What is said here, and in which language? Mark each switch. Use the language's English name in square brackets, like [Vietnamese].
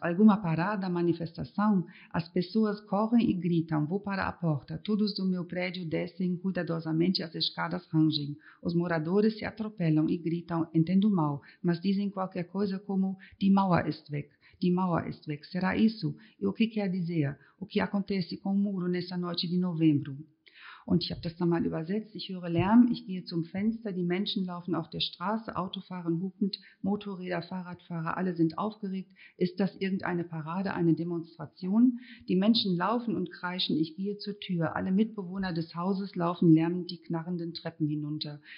[Portuguese] Alguma parada, manifestação, as pessoas correm e gritam, vou para a porta, todos do meu prédio descem. Cuidadosamente as escadas rangem. Os moradores se atropelam e gritam, entendo mal, mas dizem qualquer coisa como, [German] die Mauer ist weg, die Mauer ist weg. [Portuguese] Será isso? E o que quer dizer? O que acontece com o muro nessa noite de novembro? [German] Und ich habe das nochmal übersetzt. Ich höre Lärm, ich gehe zum Fenster, die Menschen laufen auf der Straße, Autofahren hupend, Motorräder, Fahrradfahrer, alle sind aufgeregt. Ist das irgendeine Parade, eine Demonstration? Die Menschen laufen und kreischen, ich gehe zur Tür. Alle Mitbewohner des Hauses laufen lärmend die knarrenden Treppen hinunter.